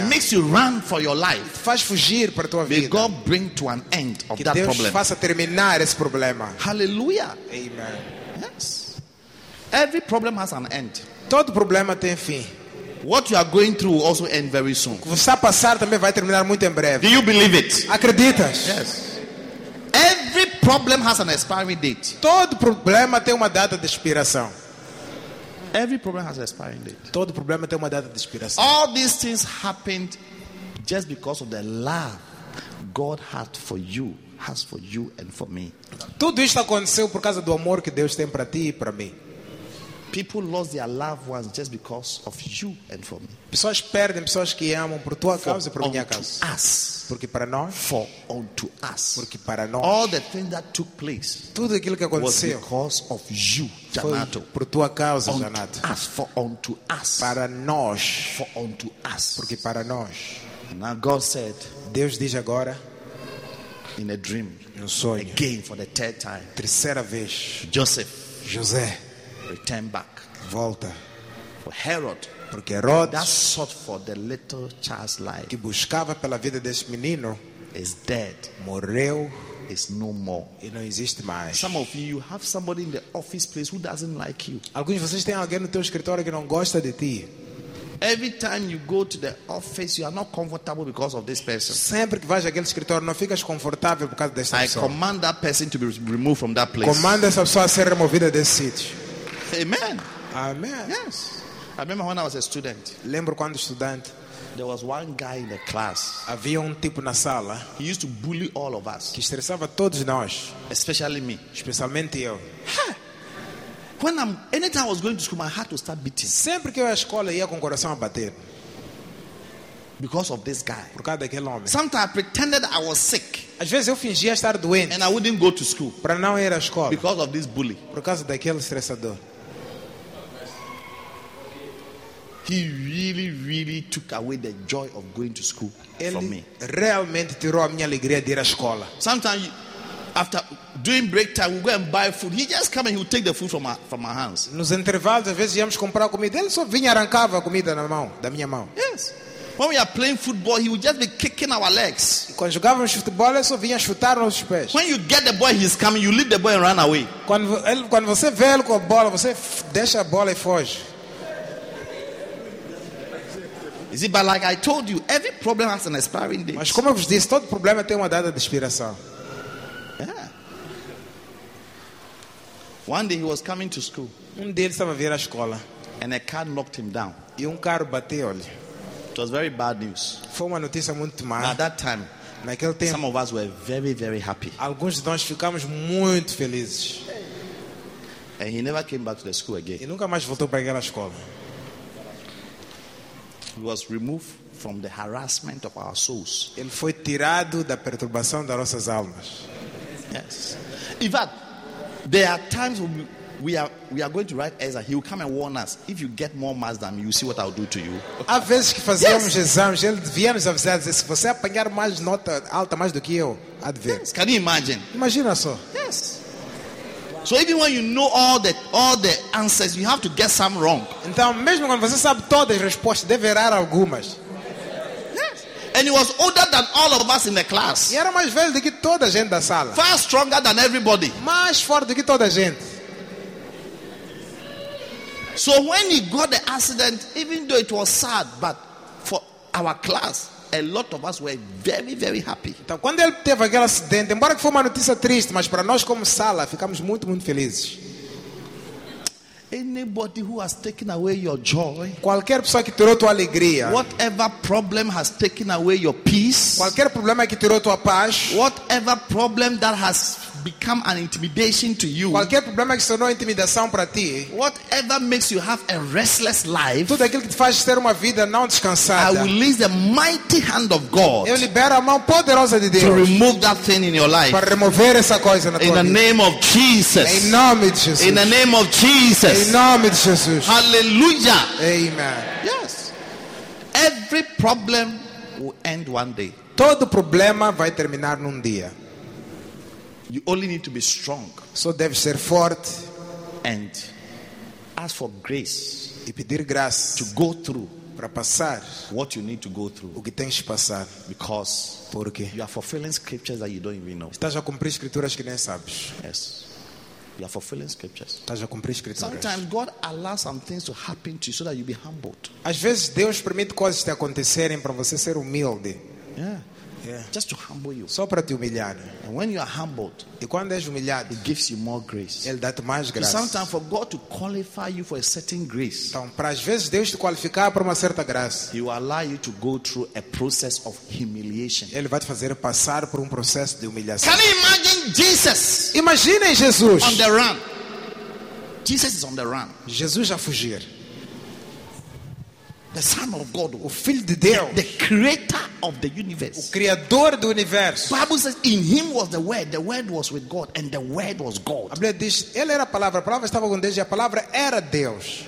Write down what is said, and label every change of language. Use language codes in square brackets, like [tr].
[en] It makes you run for your life. [pt] Te faz fugir para tua vida. [en] May God bring to an end of [pt] que [en] that [pt] Deus [en] problem. [pt] Que Deus faça terminar esse problema. [en] Hallelujah. Amen. Yes. Every problem has an end. [pt] Todo problema tem fim. [en] What you are going through will also end very soon. [pt] Você passar também vai terminar muito em breve. [en] Do you believe it? [pt] Acreditas? [en] Yes. Every problem has an expiry date. [pt] Todo problema tem uma data de expiração. [en] Every problem has an expiry date. [pt] Todo problema tem uma data de expiração. [en] All these things happened just because of the love God had for you, has for you and for me. [pt] Tudo isso aconteceu por causa do amor que Deus tem para ti e para mim. [en] People lost their loved ones just because of you and for me. [pt] Pessoas perdem pessoas que amam por tua causa e por minha causa. Porque para nós. [en] For unto us. [pt] Porque para nós. [en] All the thing that took place. [pt] Tudo aquilo que aconteceu. [en] Was because of you, Janato. [pt] Por tua causa, Janato. [en] Us. For unto us. [pt] Para nós. [en] For unto us. [pt] Porque para nós. [en] Now God said. [pt] Deus diz agora. [en] In a dream. [pt] Num sonho. [en] Again for the third time. [pt] Terceira vez. [en] Joseph. [pt] José. [en] Return back. [pt] Volta. [en] For Herod, [pt] porque Herod [en] that sought for the little child's life, [pt] que buscava pela vida desse menino, [en] is dead. [pt] Morreu. [en] Is no more. [pt] E não existe mais. [en] Some of you have somebody in the office place who doesn't like you. [pt] Alguns de vocês têm alguém no teu escritório que não gosta de ti. [en] Every time you go to the office, you are not comfortable because of this person. [pt] Sempre que vais àquele escritório, não ficas confortável por causa dessa pessoa. [en] I command that person to be removed from that place. [pt] Comanda essa pessoa a ser removida desse sítio. [en] Amen. Amen. Yes. I remember when I was a student. [pt] Lembro quando estudante. [en] There was one guy in the class. [pt] Havia tipo na sala. [en] He used to bully all of us. [pt] Que estressava todos nós. [en] Especially me. [pt] Especialmente eu. [en] When I'm anytime I was going to school, my heart would start beating. [pt] Sempre que eu ia à escola, ia com o coração a bater. [en] Because of this guy. [pt] Por causa daquele homem. [en] Sometimes I pretended I was sick. [pt] Às vezes eu fingia estar doente. [en] And I wouldn't go to school. [pt] Para não ir à escola. [en] Because of this bully. [pt] Por causa daquele estressador. [en] He really, really took away the joy of going to school [pt] ele [en] from me. [pt] Realmente tirou a minha alegria de ir à escola. [en] Sometimes, after during break time, we go and buy food. He just come and he would take the food from my hands. [pt] Nos intervalos, às vezes íamos comprar comida. Ele só vinha e arrancava a comida da minha mão. [en] Yes. When we are playing football, he would just be kicking our legs. [pt] Quando jogávamos futebol, ele só vinha chutar nossos pés. [en] When you get the boy, he is coming. You leave the boy and run away. [pt] Quando você vê ele com a bola, você deixa a bola e foge. [en] Is it, but like I told you, every problem has an expiring date. [pt] Mas como eu vos disse, todo problema tem uma data de expiração. [en] Yeah. One day he was coming to school. [pt] Dia ele estava a vir à escola. [en] And a car knocked him down. [pt] E carro bateu-lhe. [en] It was very bad news. [pt] Foi uma notícia muito má. [en] At that time, [pt] naquele tempo, [en] some of us were very, very happy. [pt] Alguns de nós ficamos muito felizes. [en] And he never came back to the school again. [pt] E nunca mais voltou para aquela escola. [en] He was removed from the harassment of our souls. [pt] Ele foi tirado da perturbação das nossas almas. [en] Yes. In fact, there are times when we are going to write exam. He will come and warn us. If you get more marks than me, you see what I'll do to you. [pt] Há vezes que fazemos exames, ele devia nos avisar, dizer, se você apanhar mais nota alta mais do que eu, há de ver. [en] Yes. Can you imagine? [pt] Imagina só. [en] Yes. So even when you know all the answers, you have to get some wrong. [pt] Então, mesmo quando você sabe todas as respostas, deve errar algumas. [en] Yes. And he was older than all of us in the class. [pt] E era mais velho do que toda a gente da sala. [en] Far stronger than everybody. [pt] Mais forte do que toda a gente. [en] So when he got the accident, even though it was sad, but for our class, a lot of us were very, very happy. [pt] Então, quando ele teve aquele acidente, embora que foi uma notícia triste, mas para nós como sala, ficamos muito, muito felizes. [en] Anybody who has taken away your joy, [pt] qualquer pessoa que tirou tua alegria, [en] whatever problem has taken away your peace, [pt] qualquer problema que tirou tua paz, [en] whatever problem that has become an intimidation to you, [pt] qualquer problema que se tornou intimidação para ti, [en] whatever makes you have a restless life, [pt] tudo aquilo que te faz ter uma vida não descansada, [en] I will release the mighty hand of God, [pt] eu libero a mão poderosa de Deus, [en] to remove that thing in your life, [pt] para remover essa coisa na tua [en] in [pt] vida. [en] The name of Jesus, [pt] em nome de Jesus, [en] in the name of Jesus, [pt] em nome de Jesus. [en] Hallelujah. Amen. Yes. Every problem will end one day. [pt] Todo problema vai terminar num dia. [en] You only need to be strong. [pt] Só deve ser forte. [en] And ask for grace. [pt] E pedir graça. [en] To go through. [pt] Para passar. [en] What you need to go through. [pt] O que tens de passar. [en] Because. [pt] Porque. [en] You are fulfilling scriptures that you don't even know. [pt] Estás a cumprir escrituras que nem sabes. [en] Yes. You are fulfilling scriptures. [pt] Estás a cumprir escrituras. [en] Sometimes God allows some things to happen to you so that you be humbled. [pt] Às vezes Deus permite coisas te acontecerem para você ser humilde. [en] Yeah. Yeah. Just to humble you. [pt] Só para te humilhar. [en] And when you are humbled, [pt] e quando és humilhado, [en] it gives you more grace. [pt] Ele dá-te mais graça. [en] And sometimes for God to qualify you for a certain grace. [pt] Então, para às vezes Deus te qualificar para uma certa graça. [en] He will allow you to go through a process of humiliation. [pt] Ele vai te fazer passar por processo de humilhação. [en] Can you imagine Jesus? [pt] Imagine Jesus. [en] On the run. Jesus is on the run. [pt] Jesus a fugir. [en] The Son of God, [pt] o Filho de Deus, [en] the creator of the universe, [pt] o criador do universo. [en] The Bible says, in him was the word was with God, and the word was God. [pt] A Bíblia diz, ele era a palavra estava com Deus, e a palavra era Deus.